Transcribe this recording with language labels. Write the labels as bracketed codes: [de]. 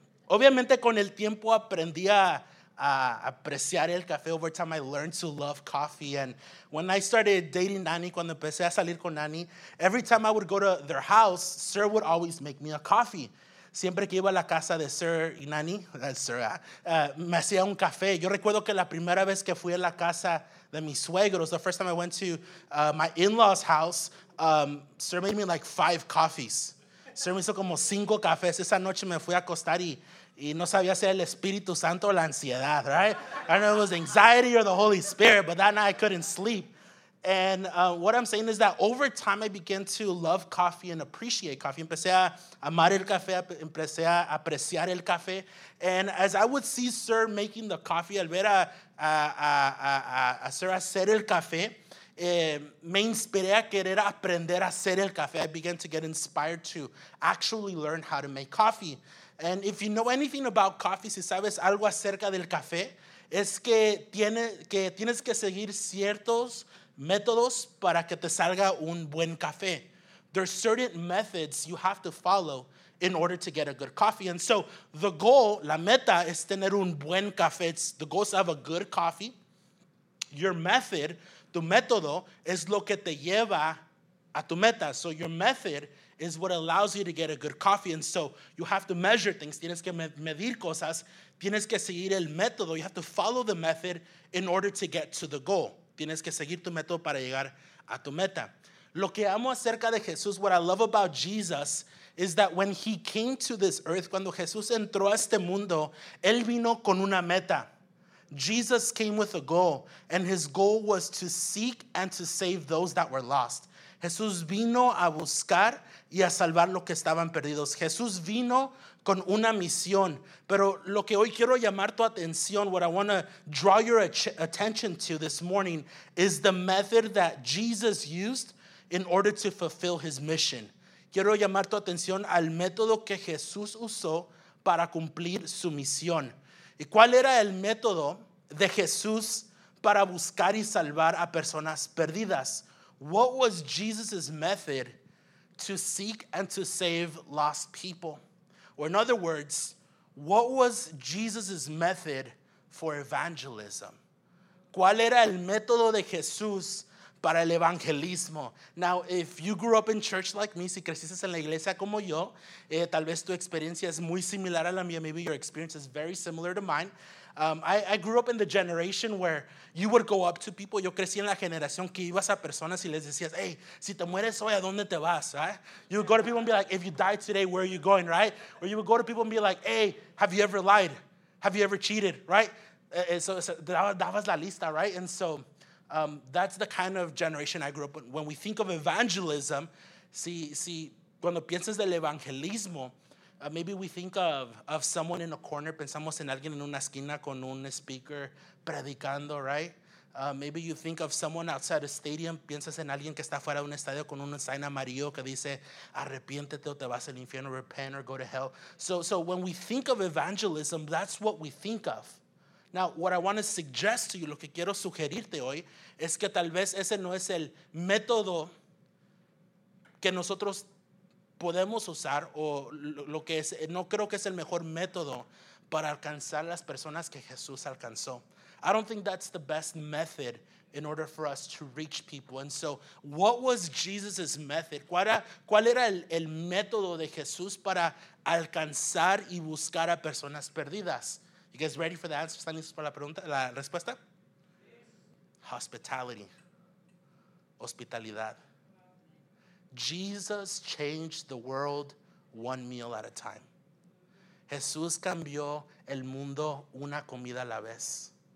[es] Obviamente, con el tiempo aprendí a apreciar el café. [en] Over time, I learned to love coffee. And when I started dating Nani, [es] cuando empecé a salir con Nani, [en] every time I would go to their house, Sir would always make me a coffee. [es] Siempre que iba a la casa de Sir y Nani, me hacía un café. Yo recuerdo que la primera vez que fui a la casa de mis suegros, [en] the first time I went to my in-law's house, Sir made me like 5 coffees. [es] Sir me hizo como 5 cafés. Esa noche me fui a acostar y no sabía si era el Espíritu Santo o la ansiedad, [en] right? I don't know if it was anxiety or the Holy Spirit, but that night I couldn't sleep. And what I'm saying is that over time I began to love coffee and appreciate coffee. [es] Empecé a amar el café, empecé a apreciar el café. [en] And as I would see Sir making the coffee, [es] al ver a Sir hacer el café, me inspiré a querer aprender a hacer el café. [en] I began to get inspired to actually learn how to make coffee. And if you know anything about coffee, [es] si sabes algo acerca del café, es que tienes que seguir ciertos métodos para que te salga un buen café. [en] There are certain methods you have to follow in order to get a good coffee. And so the goal, [es] la meta, es tener un buen café. [en] It's the goal is to have a good coffee. Your method, [es] tu método, [en] es lo que te lleva a tu meta. So your method is what allows you to get a good coffee. And so you have to measure things. [es] Tienes que medir cosas. Tienes que seguir el método. [en] You have to follow the method in order to get to the goal. [es] Tienes que seguir tu método para llegar a tu meta. Lo que amo acerca de Jesús, [en] what I love about Jesus, [es] is that when he came to this earth, cuando Jesús entró a este mundo, él vino con una meta. [en] Jesus came with a goal, and his goal was to seek and to save those that were lost. [es] Jesús vino a buscar y a salvar lo que estaban perdidos. Jesús vino con una misión. Pero lo que hoy quiero llamar tu atención, [en] what I want to draw your attention to this morning, is the method that Jesus used in order to fulfill his mission. [es] Quiero llamar tu atención al método que Jesús usó para cumplir su misión. ¿Y cuál era el método de Jesús para buscar y salvar a personas perdidas? [en] What was Jesus' method to seek and to save lost people? Or in other words, what was Jesus' method for evangelism? [es] ¿Cuál era el método de Jesús para el evangelismo? [en] Now, if you grew up in church like me, [es] si creciste en la iglesia como yo, tal vez tu experiencia es muy similar a la mía. [en] Maybe your experience is very similar to mine. I grew up in the generation where you would go up to people. [es] Yo crecí en la generación que ibas a personas y les decías, hey, si te mueres hoy, ¿a dónde te vas? [en] Right? You would go to people and be like, if you die today, where are you going, right? Or you would go to people and be like, hey, have you ever lied? Have you ever cheated, right? So [es] dabas la lista, [en] right? And so that's the kind of generation I grew up in. When we think of evangelism, [es] si cuando piensas del evangelismo, [en] maybe we think of someone in a corner. [es] Pensamos en alguien en una esquina con un speaker predicando, [en] right? Maybe you think of someone outside a stadium. [es] Piensas en alguien que está fuera de un estadio con un sign amarillo que dice, arrepiéntete o te vas al infierno, [en] repent or go to hell. So when we think of evangelism, that's what we think of. Now, what I want to suggest to you, [es] lo que quiero sugerirte hoy, es que tal vez ese no es el método que nosotros podemos usar o lo que es, no creo que es el mejor método para alcanzar las personas que Jesús alcanzó. [en] I don't think that's the best method in order for us to reach people. And so, what was Jesus's method? [es] ¿Cuál era el método de Jesús para alcanzar y buscar a personas perdidas? [en] You guys ready for the answer? [es] ¿Están listos para la pregunta, la respuesta? [en] Hospitality. [es] Hospitalidad. [en] Jesus changed the world one meal at a time. [es] Jesús cambió el mundo una comida a la vez.